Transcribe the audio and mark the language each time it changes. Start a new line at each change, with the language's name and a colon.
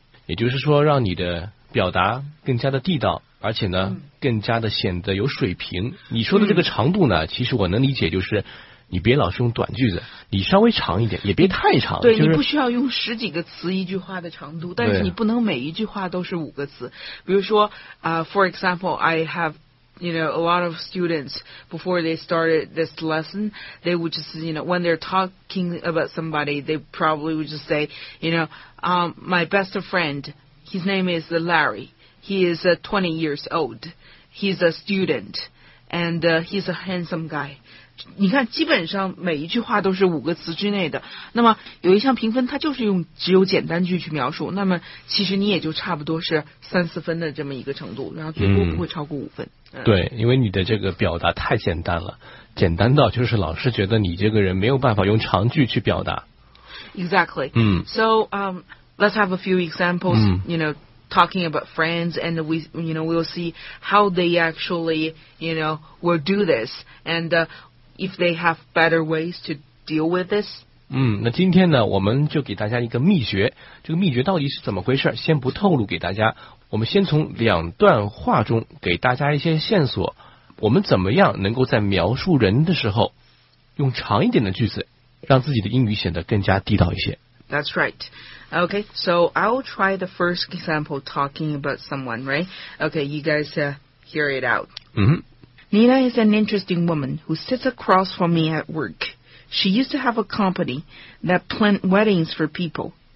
Chinese: 也就是说让你的表达更加的地道，而且呢更加的显得有水平。你说的这个长度呢，其实我能理解，就是你别老是用短句子，你稍微长一点，也别太长。对、就是、你不需要用十几个词一句话的长度，但是你不能每一句话都是五个词。比如说
English: for example, I haveYou know, a lot of students, before they started this lesson, they would just, you know, when they're talking about somebody, they probably would just say, you know, my best friend, his name is Larry. He is 20 years old. He's a student. And he's a handsome guy.
Chinese: 你看，基本上每一句话都是五个词之内的。那么有一项评分，它就是用只有简单句去描述，那么其实你也就差不多是三四分的这么一个程度，然后最多不会超过五分。对，因为你的这个表达太简单了，简单到就是老师觉得你这个人没有办法用长句去表达。
English: Exactly. So let's have a few examples. You know, talking about friends, and we'll see how they actually will do this and. If they have better ways to deal with this.
Chinese: 那今天呢，我们就给大家一个秘诀，这个秘诀到底是怎么回事，先不透露给大家，我们先从两段话中给大家一些线索，我们怎么样能够在描述人的时候用长一点的句子，让自己的英语显得更加地道一些。
English: That's right. Okay, so I'll try the first example talking about someone, right? Okay, you guys, hear it out. Mm-hmm. Nina is an interesting woman who sits across from me at work. She used to have a company that planned weddings for people.